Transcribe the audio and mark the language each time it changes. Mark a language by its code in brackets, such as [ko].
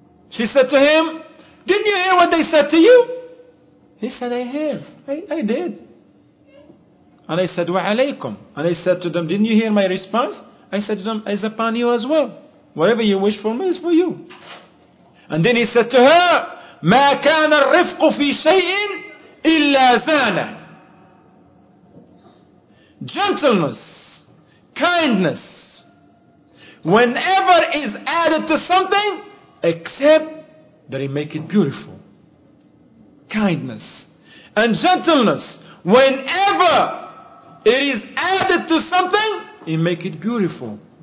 [en] She said to him, didn't you hear what they said to you? He said, I heard. I did. And I said, [ar] wa alaykum. [en] And I said to them, didn't you hear my response? I said to them, it's upon you as well. Whatever you wish for me is for you. And then he said to her, [ar] مَا كَانَ الرِّفْقُ فِي شَيْءٍ إِلَّا ذَانَ. [en] Gentleness, kindness, whenever is added to something, except that it make it beautiful. Kindness and gentleness, whenever it is added to something, it make it beautiful.